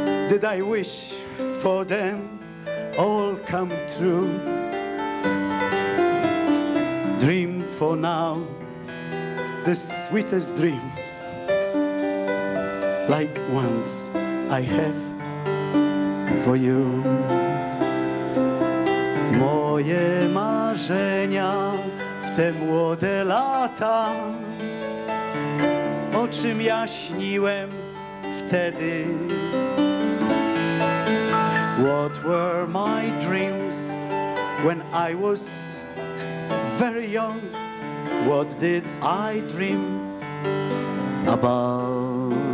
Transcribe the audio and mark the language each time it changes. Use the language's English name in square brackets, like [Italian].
[English] Did I wish for them all come true? Dream for now the sweetest dreams, like ones I have for you. [Polish] Moje marzenia w te młode lata, o czym ja śniłem wtedy. [English] What were my dreams when I was very young? What did I dream about?